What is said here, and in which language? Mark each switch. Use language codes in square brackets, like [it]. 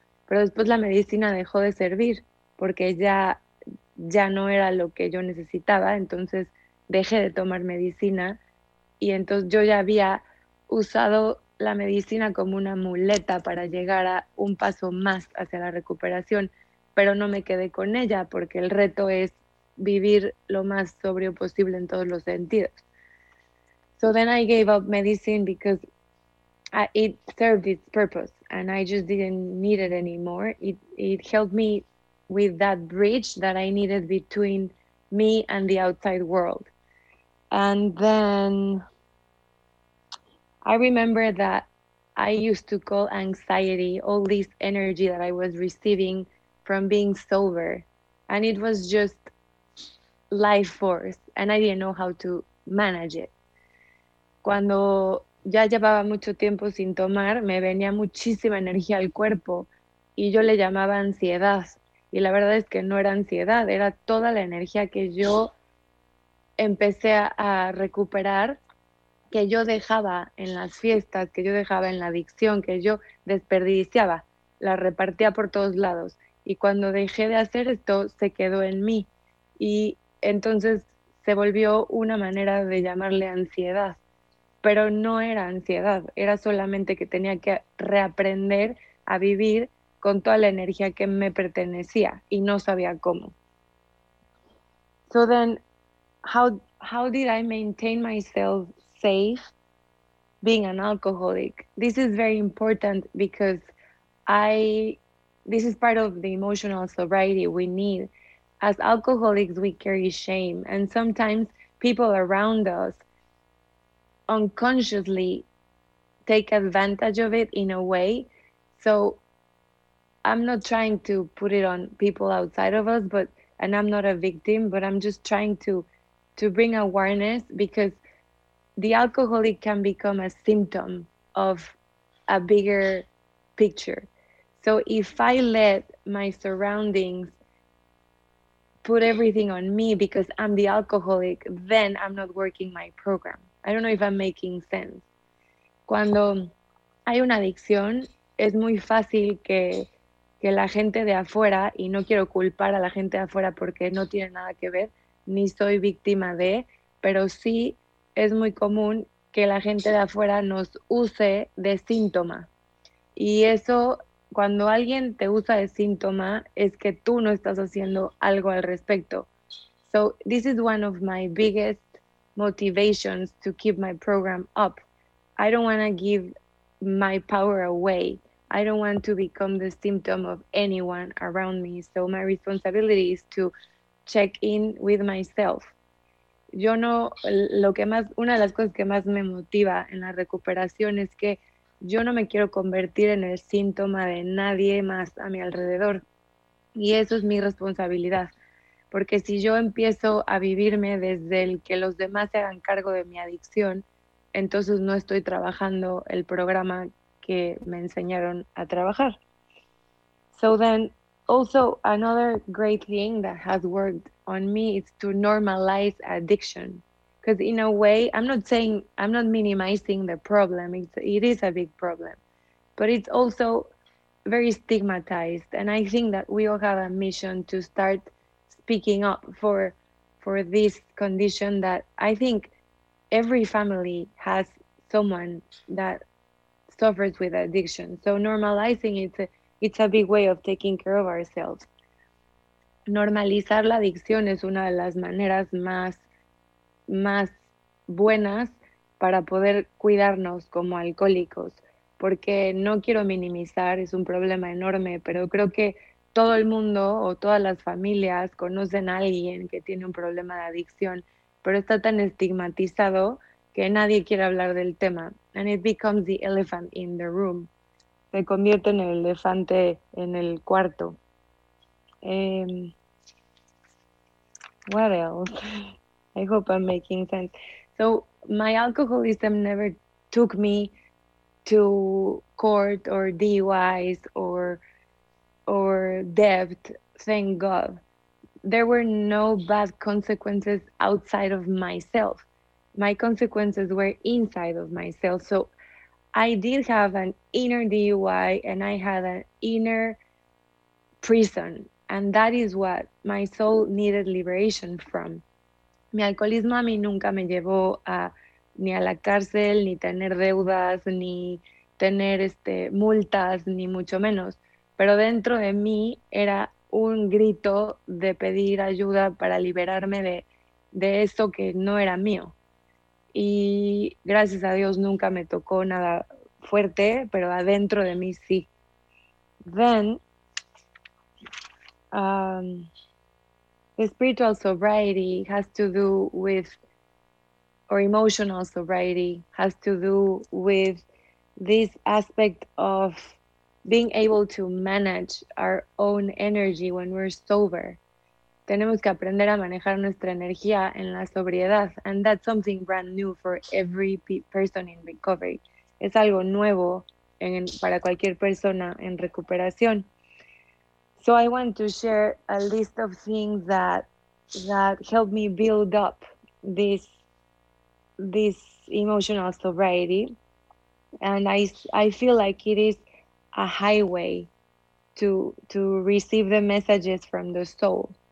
[es] Pero después la medicina dejó de servir porque ya no era lo que yo necesitaba, entonces dejé de tomar medicina y entonces yo ya había usado la medicina como una muleta para llegar a un paso más hacia la recuperación. pero no me quedé con ella porque el reto es vivir lo más sobrio posible en todos los sentidos. [en] So then I gave up medicine because it served its purpose and I just didn't need it anymore. It helped me with that bridge that I needed between me and the outside world. And then I remember that I used to call anxiety all this energy that I was receiving from being sober. And it was just life force. And I didn't know how to manage it. [es] Cuando ya llevaba mucho tiempo sin tomar, me venía muchísima energía al cuerpo. Y yo le llamaba ansiedad. Y la verdad es que no era ansiedad, era toda la energía que yo empecé a recuperar, que yo dejaba en las fiestas, que yo dejaba en la adicción, que yo desperdiciaba, la repartía por todos lados. Y cuando dejé de hacer esto, se quedó en mí. Y entonces se volvió una manera de llamarle ansiedad. Pero no era ansiedad, era solamente que tenía que reaprender a vivir con toda la energía que me pertenecía y no sabía cómo. [en] So then, how did I maintain myself safe being an alcoholic? This is very important because this is part of the emotional sobriety we need. As alcoholics, we carry shame, and sometimes people around us unconsciously take advantage of it in a way. So I'm not trying to put it on people outside of us, but and I'm not a victim, but I'm just trying to bring awareness, because the alcoholic can become a symptom of a bigger picture. So if I let my surroundings put everything on me because I'm the alcoholic, then I'm not working my program. I don't know if I'm making sense. [es] Cuando hay una adicción, es muy fácil que la gente de afuera, y no quiero culpar a la gente de afuera porque no tiene nada que ver, ni soy víctima de, pero sí es muy común que la gente de afuera nos use de síntoma. Y eso, cuando alguien te usa de síntoma, es que tú no estás haciendo algo al respecto. [en] So this is one of my biggest motivations to keep my program up. I don't want to give my power away. I don't want to become the symptom of anyone around me. So my responsibility is to check in with myself. [es] Yo no, lo que más, una de las cosas que más me motiva en la recuperación es que yo no me quiero convertir en el síntoma de nadie más a mi alrededor. Y eso es mi responsabilidad. Porque si yo empiezo a vivirme desde el que los demás se hagan cargo de mi adicción, entonces no estoy trabajando el programa que me enseñaron a trabajar. [en] So then, also another great thing that has worked on me is to normalize addiction. Because in a way, I'm not minimizing the problem. It is a big problem. But it's also very stigmatized. And I think that we all have a mission to start speaking up for this condition that I think every family has someone that suffers with addiction. So normalizing it's a big way of taking care of ourselves. [es] Normalizar la adicción es una de las maneras más buenas para poder cuidarnos como alcohólicos, porque no quiero minimizar, es un problema enorme, pero creo que todo el mundo o todas las familias conocen a alguien que tiene un problema de adicción, pero está tan estigmatizado que nadie quiere hablar del tema. [en] And it becomes the elephant in the room. [es] Se convierte en el elefante en el cuarto. [en] What else? I hope I'm making sense. So my alcoholism never took me to court or DUIs or debt, thank God. There were no bad consequences outside of myself. My consequences were inside of myself. So I did have an inner DUI and I had an inner prison. And that is what my soul needed liberation from. [es] Mi alcoholismo a mí nunca me llevó ni a la cárcel, ni tener deudas, ni tener multas, ni mucho menos. Pero dentro de mí era un grito de pedir ayuda para liberarme de esto que no era mío. Y gracias a Dios nunca me tocó nada fuerte, pero adentro de mí sí. [en] Then, the spiritual sobriety has to do with, or emotional sobriety has to do with this aspect of being able to manage our own energy when we're sober. [es] Tenemos que aprender a manejar nuestra energía en la sobriedad, [en] and that's something brand new for every person in recovery. [es] Es algo nuevo para cualquier persona en recuperación. [en] So I want to share a list of things that helped me build up this emotional sobriety. And I feel like it is a highway to receive the messages from the soul.